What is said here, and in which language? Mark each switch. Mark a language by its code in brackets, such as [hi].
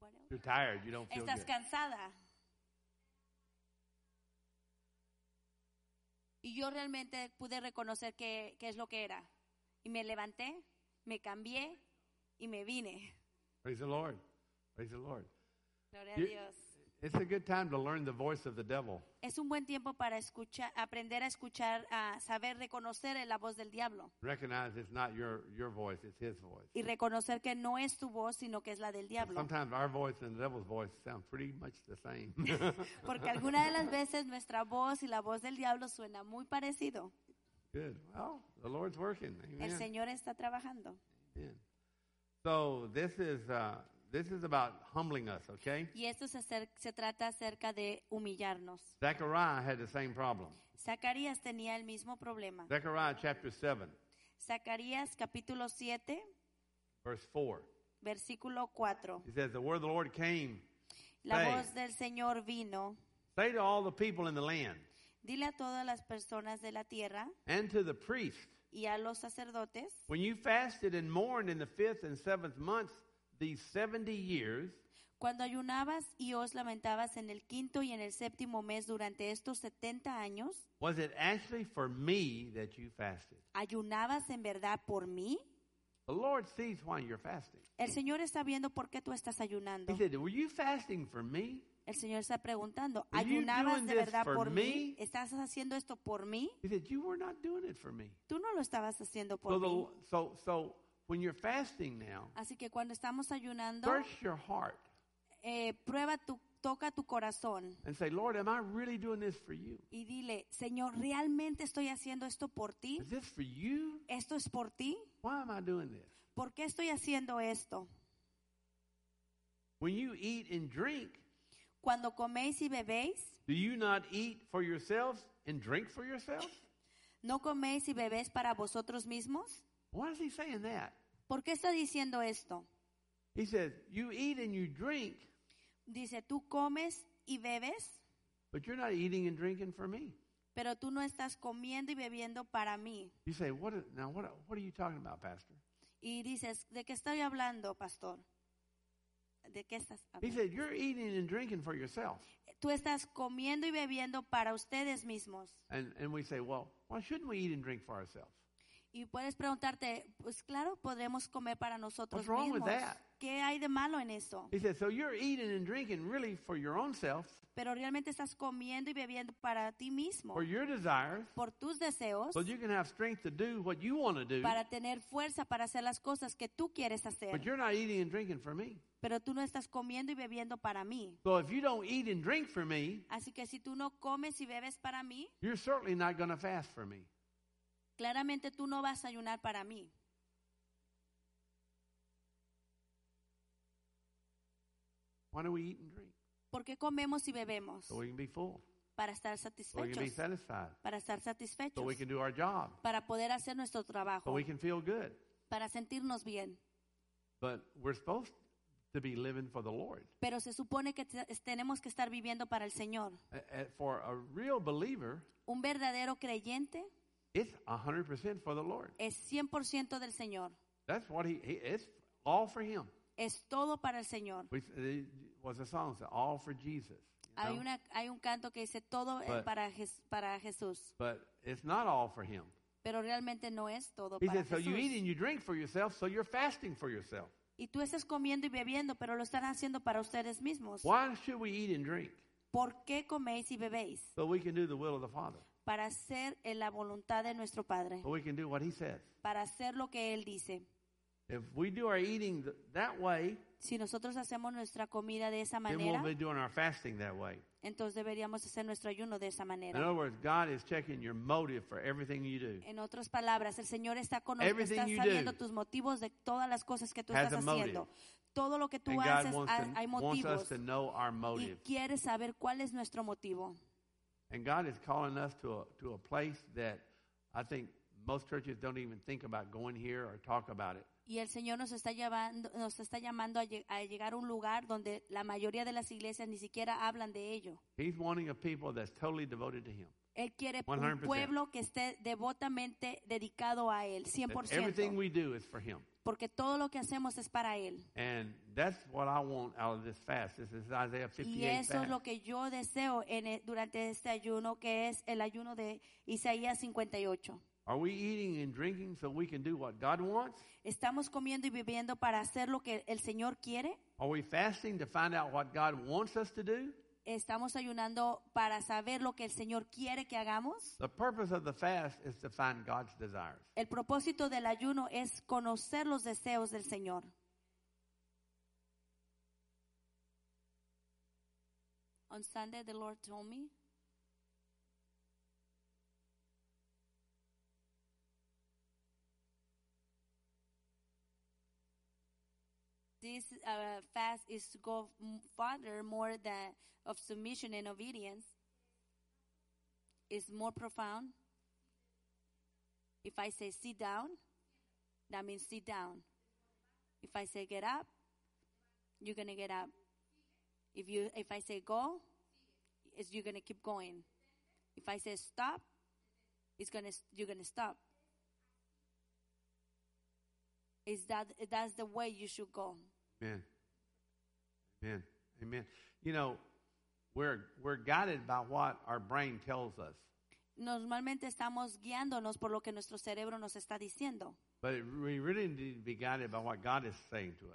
[en] You're tired, you don't feel [es] Estás [en] good. [es] Cansada. Y yo realmente pude reconocer qué es lo que era. Y me levanté, me cambié y me vine. [en] Praise the Lord. Praise the Lord. [es] Gloria a Dios. [en] It's a good time to learn the voice of the devil. [es] Es un buen tiempo para escuchar, aprender a escuchar, a saber reconocer la voz del diablo. [en] Recognize it's not your voice, it's his voice. [es] Y reconocer que no es tu voz, sino que es la del diablo. [en] Sometimes our voice and the devil's voice sound pretty much the same. [es] Porque algunas de las veces nuestra voz y la voz del diablo suena muy parecido. [en] Good. Well, the Lord's working. Amen. [es] El Señor está trabajando. [en] Amen. So this is. This is about humbling us, okay? [es] Y esto se trata acerca de humillarnos. [en] Zechariah had the same problem. [es] Zacarías tenía el mismo problema. [en] Zechariah chapter 7. [es] Zacarías capítulo 7. [en] Verse 4. [es] Versículo 4. [en] He says, the word of the Lord came. [es] La voz del Señor vino. [en] Say to all the people in the land. [es] Dile a todas las personas de la tierra. [en] And to the priests. [es] Y a los sacerdotes. [en] When you fasted and mourned in the fifth and seventh months, these 70 years, [es] cuando ayunabas y os lamentabas en el quinto y en el séptimo mes durante estos 70 años, [en] was it actually for me that you fasted? [es] ¿Ayunabas en verdad por mí? [en] The Lord sees why you're fasting. [es] El Señor está viendo por qué tú estás ayunando. [en] He said, were you fasting for me? [es] El Señor está preguntando, ¿ayunabas de verdad por mí? ¿Estás haciendo esto por mí? [en] He said, you were not doing it for me. [es] Tú no lo estabas haciendo por [en] so [es] mí. [en] When you're fasting now, [es] así que cuando estamos ayunando, [en] search your heart. [es] Prueba tu, toca tu corazón. [en] And say, Lord, am I really doing this for you? [es] Y dile, Señor, ¿realmente estoy haciendo esto por ti? [en] Is this for you? [es] ¿Esto es por ti? [en] Why am I doing this? [es] ¿Por qué estoy haciendo esto? [en] When you eat and drink, [es] cuando coméis y bebéis, [en] do you not eat for yourselves and drink for yourselves? [es] ¿No coméis y bebéis para vosotros mismos? [en] Why is he saying that? [es] ¿Por qué está diciendo esto? [en] He says, you eat and you drink. [es] Dice, tú comes y bebes. [en] But you're not eating and drinking for me. [es] Pero tú no estás comiendo y bebiendo para mí. [en] You say, what are you talking about, Pastor? [es] Y dices, ¿de qué estoy hablando, Pastor? ¿De qué estás hablando? [en] He said, you're eating and drinking for yourself. [es] Tú estás comiendo y bebiendo para ustedes mismos. [en] And we say, well, why shouldn't we eat and drink for ourselves? [es] Y puedes preguntarte, pues claro, podremos comer para nosotros [en] What's wrong [es] mismos. [en] With that? [es] ¿Qué hay de malo en eso? [en] He said, so you're eating and drinking really for your own self. [es] Pero realmente estás comiendo y bebiendo para ti mismo. [en] For your desires. [es] Por tus deseos. [en] So you can have strength to do what you want to do. [es] Para tener fuerza para hacer las cosas que tú quieres hacer. [en] But you're not eating and drinking for me. [es] Pero tú no estás comiendo y bebiendo para mí. [en] So if you don't eat and drink for me. [es] Así que si tú no comes y bebes para mí. [en] You're certainly not going to fast for me. [es] Claramente tú no vas a ayunar para mí. [en] Why do we eat and drink? [es] ¿Por qué comemos y bebemos? [en] So we can be full. [es] Para estar satisfechos. [en] So we can be satisfied. [es] Para estar satisfechos. [en] So we can do our job. [es] Para poder hacer nuestro trabajo. [en] So we can feel good. [es] Para sentirnos bien. [en] But we're supposed to be living for the Lord. [es] Pero se supone que tenemos que estar viviendo para el Señor. [en] For a real believer, [es] un verdadero creyente, [en] it's 100% for the Lord. [es] Es 100% del Señor. [en] That's what he it's all for him. [es] Es todo para el Señor. [en] Was a song that all for Jesus. [es] Hay una hay un canto que dice todo para Jesús. [en] But it's not all for him. [es] Pero realmente no es todo [en] he [es] para [en] said, [es] Jesús. [en] He says, so you eat and you drink for yourself, so you're fasting for yourself. [es] Y tú estás comiendo y bebiendo, pero lo están haciendo para ustedes mismos. [en] Why should we eat and drink? [es] ¿Por qué coméis y bebéis? [en] So we can do the will of the Father. [es] Para hacer en la voluntad de nuestro Padre. [en] But we can do what he says. [es] Para hacer lo que Él dice. [en] If we do our eating that way, [es] si nosotros hacemos nuestra comida de esa manera, [en] then we'll be doing our fasting that way. [es] Entonces deberíamos hacer nuestro ayuno de esa manera. [en] In other words, God is checking your motive for everything you do. [es] En otras palabras, el Señor está sabiendo tus motivos de todas las cosas que tú estás haciendo. Todo lo que tú haces, hay motivos. Y quiere saber cuál es nuestro motivo. [en] And God is calling us to a place that I think most churches don't even think about going here or talk about it. [es] Y el Señor nos está llamando a llegar a un lugar donde la mayoría de las iglesias ni siquiera hablan de ello. [en] He's wanting a people that's totally devoted to him. [es] Él quiere 100%. Un pueblo que esté devotamente dedicado a él, 100%. [en] Everything we do is for him. [es] Porque todo lo que hacemos es para él. [en] And that's what I want out of this fast. This is Isaiah 58. [es] Y eso [en] fast. [es] Es lo que yo deseo durante este ayuno, que es el ayuno de Isaías 58. [en] Are we eating and drinking so we can do what God wants? [es] ¿Estamos comiendo y bebiendo para hacer lo que el Señor quiere? [en] Are we fasting to find out what God wants us to do? [es] ¿Estamos ayunando para saber lo que el Señor quiere que hagamos? [en] The purpose of the fast is to find God's desires. [es] El propósito del ayuno es conocer los deseos del Señor. [en] On Sunday, the Lord told me. This fast is to go farther more than of submission and obedience. It's more profound. If I say sit down, that means sit down. If I say get up, you're going to get up. If I say go, you're going to keep going. If I say stop, you're going to stop. That's the way you should go. Amen. Amen. Amen. You know, we're guided by what our brain tells us. [es] Normalmente estamos guiándonos por lo que nuestro cerebro nos está diciendo. [en] But we really need to be guided by what God is saying to us.